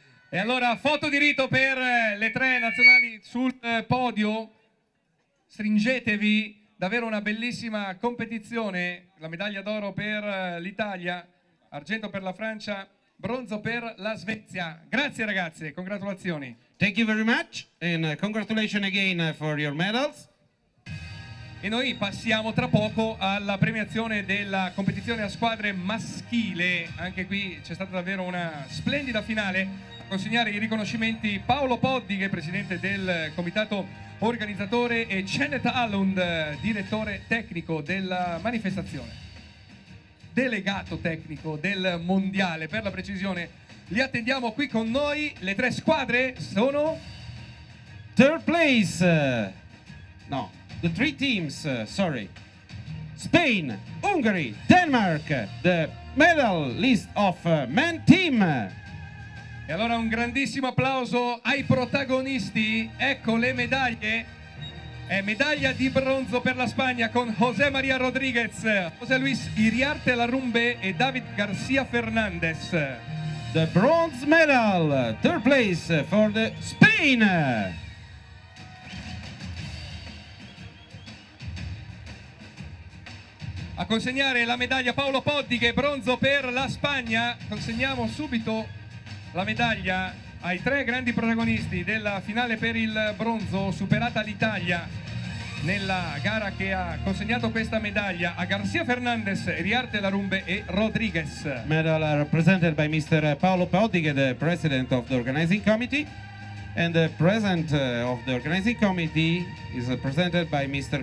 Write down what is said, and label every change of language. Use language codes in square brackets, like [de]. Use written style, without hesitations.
[it] E allora, foto di rito per le tre nazionali sul podio. Stringetevi, davvero una bellissima competizione. La medaglia d'oro per l'Italia, argento per la Francia, bronzo per la Svezia. Grazie ragazze, congratulazioni. [en] Thank you very much and congratulations again for your medals. [it] E noi passiamo tra poco alla premiazione della competizione a squadre maschile. Anche qui c'è stata davvero una splendida finale. A consegnare i riconoscimenti Paolo Poddi, che è presidente del comitato organizzatore, e Janet Allund, direttore tecnico della manifestazione. Delegato tecnico del mondiale, per la precisione. Li attendiamo qui con noi. Le tre squadre sono... [en] Third place! No, the three teams, sorry. Spain, Hungary, Denmark, the medal list of men team. [it] E allora un grandissimo applauso ai protagonisti. Ecco le medaglie. È medaglia di bronzo per la Spagna con José María Rodríguez, José Luis Iriarte Larrumbe e David García Fernández. [en] The bronze medal, third place for the Spain. [it] A consegnare la medaglia Paolo Poddi, che è bronzo per la Spagna. Consegniamo subito la medaglia ai tre grandi protagonisti della finale per il bronzo, superata l'Italia nella gara che ha consegnato questa medaglia a García Fernández, Iriarte Larrumbe e Rodríguez. [en] Medal are presented by Mr. Paolo Poddi, the president of the organizing committee, and the president of the organizing committee is presented by Mr.